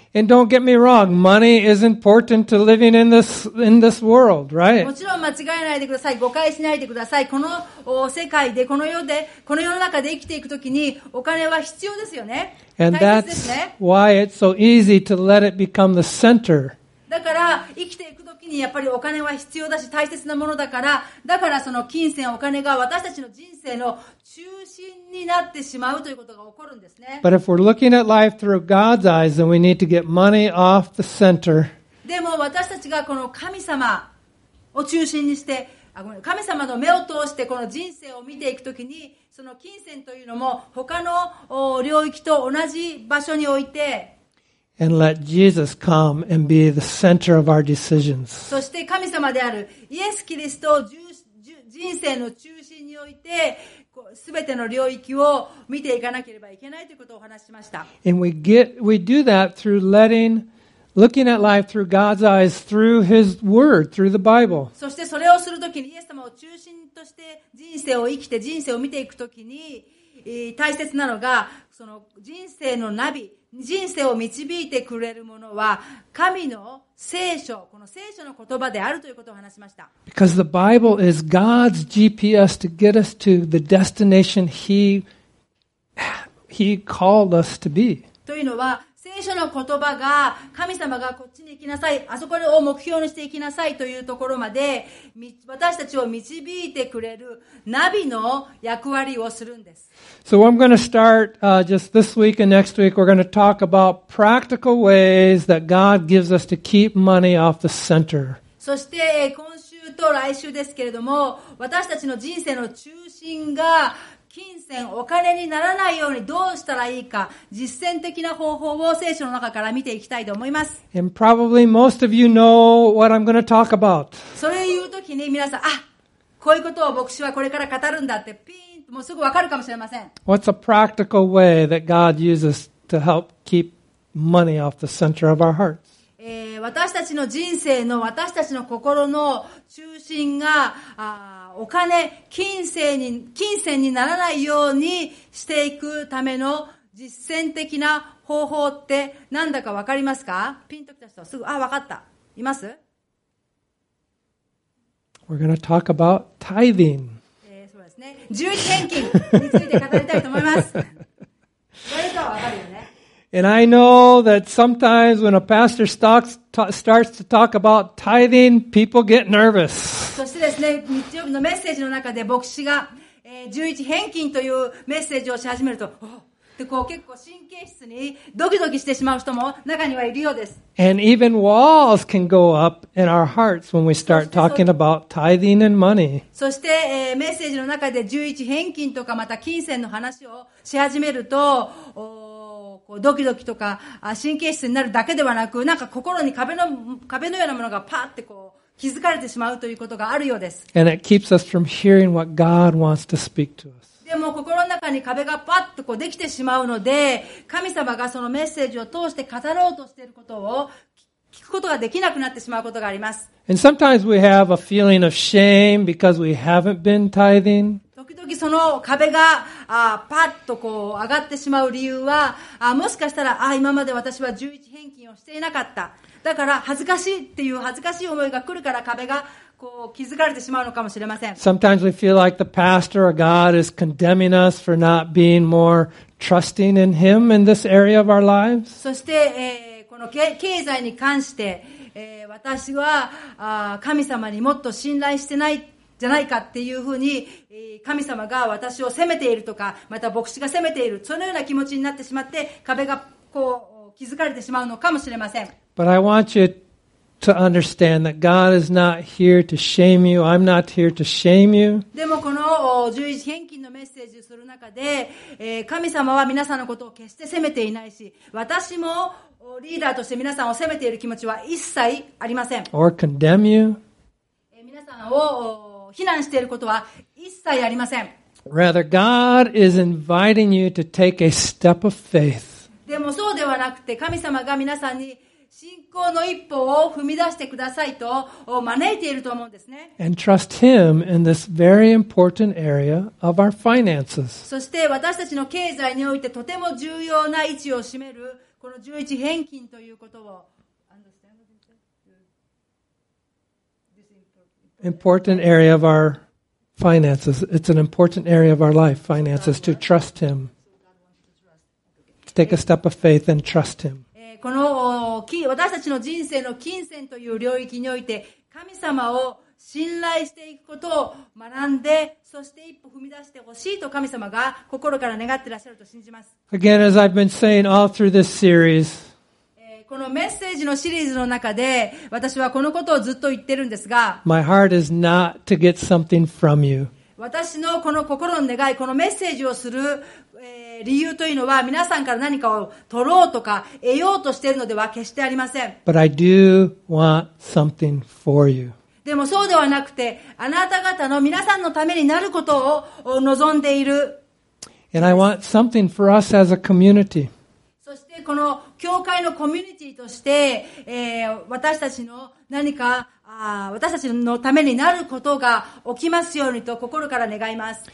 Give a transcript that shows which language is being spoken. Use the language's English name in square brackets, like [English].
[English] And don't get me wrong, money is important to living in this world, right? [Japanese] もちろん間違えないでください。誤解しないでください。この世界で、この世で、この世の中で生きていくときにお金は必要ですよね。 [English] And that's why it's so easy to let it become the center. [Japanese] だから生きていくときにやっぱりお金は必要だし大切なものだから、だからその金銭お金が私たちの人生の中心になってしまうということが起こるんですね。 [English] But if we're looking at life through God's eyes, then we need to get money off the center. [Japanese] でも私たちがこの神様を中心にして、神様の目を通してこの人生を見ていくときに、その金銭というのも他の領域と同じ場所において。 [English] And let Jesus come and be the center of our decisions. [Japanese] そして神様であるイエス・キリストを人生の中心において、すべての領域を見ていかなければいけないということをお話しました。 [English] And we do that through looking at life through God's eyes through His Word, through the Bible. [Japanese] そしてそれをするときにイエス様を中心として人生を生きて人生を見ていくときに、大切なのがその人生のナビ。人生を導いてくれるものは神の聖書、この聖書の言葉であるということを話しました。 [English] Because the Bible is God's GPS to get us to the destination He called us to be. [Japanese] というのは、聖書の言葉が神様がこっちに行きなさい、あそこを目標にして行きなさいというところまで私たちを導いてくれるナビの役割をするんです。 [English] So I'm going to start just this week and next week we're going to talk about practical ways that God gives us to keep money off the center. [Japanese] そして今週と来週ですけれども私たちの人生の中心が金銭、お金にならないようにどうしたらいいか、実践的な方法を聖書の中から見ていきたいと思います。 [English] And probably most of you know what I'm going to talk about. [Japanese] それを言うときに皆さん、あ、こういうことを牧師はこれから語るんだってピーンもうすぐわかるかもしれません。 [English] What's a practical way that God uses to help keep money off the center of our hearts? [Japanese] 私たちの人生の私たちの心の中心がお金、金銭にならないようにしていくための実践的な方法って何だかわかりますか？ピンときた人はすぐ、あ、わかった。います？ [English] We're going to talk about tithing. [Japanese] そうですね。十一献金について語りたいと思います。それとはわかるよね。 [English] And I know that sometimes when a pastor starts to talk about tithing, people get nervous. [Japanese] そしてですね、日曜日のメッセージの中で牧師が、十一返金というメッセージをし始めると、でこう結構神経質にドキドキしてしまう人も中にはいるようです。 [English] And even walls can go up in our hearts when we start talking about tithing and money. [Japanese] そして、メッセージの中で十一返金とかまた金銭の話をし始めると、ドキドキとか神経質になるだけではなく、なんか心に壁のようなものがパーってこう気づかれてしまうということがあるようです。 [English] And it keeps us from hearing what God wants to speak to us. [Japanese] でも心の中に壁がパッとこうできてしまうので、神様がそのメッセージを通して語ろうとしていることを聞くことができなくなってしまうことがあります。 [English] And sometimes we have a feeling of shame because we haven't been tithing. [Japanese] 時々その壁がパッとこう上がってしまう理由は、もしかしたら今まで私は十一返金をしていなかった、だから恥ずかしいっていう恥ずかしい思いが来るから壁がこう気づかれてしまうのかもしれません。 [English] Sometimes we feel like the pastor or God is condemning us for not being more trusting in him in this area of our lives. [Japanese] そして、この経済に関して、私は神様にもっと信頼してないじゃないかっていうふうに神様が私を責めているとか、また牧師が責めている、そのような気持ちになってしまって壁がこう気づかれてしまうのかもしれません。 [English] But I want you to understand that God is not here to shame you. I'm not here to shame you. [Japanese] でもこの十一返金のメッセージをする中で、神様は皆さんのことを決して責めていないし、私もリーダーとして皆さんを責めている気持ちは一切ありません。 [English] Or condemn you. [Japanese] 皆さんを非難していることは一切ありません。 [English] Rather, God is inviting you to take a step of faith. [Japanese] でもそうではなくて、神様が皆さんに信仰の一歩を踏み出してくださいと招いていると思うんですね。 [English] And trust him in this very important area of our finances. [Japanese] そして私たちの経済においてとても重要な位置を占めるこの十一返金ということを、 [English] important area of our finances. It's an important area of our life, finances, to trust him. To take a step of faith and trust him. [Japanese] この私たちの人生の金銭という領域において、神様を信頼していくことを学んで、そして一歩踏み出してほしいと神様が心から願っていらっしゃると信じます。 [English] Again, as I've been saying all through this series, [Japanese] このメッセージのシリーズの中で私はこのことをずっと言ってるんですが、 [English] My heart is not to get something from you. [Japanese] 私のこの心の願い、このメッセージをする、理由というのは皆さんから何かを取ろうとか得ようとしているのでは決してありません。 [English] But I do want something for you. [Japanese] でもそうではなくて、あなた方の皆さんのためになることを望んでいる。 [English] And I want something for us as a community. [Japanese] そしてこの教会のコミュニティとして、私たちの何か私たちのためになることが起きますようにと心から願います。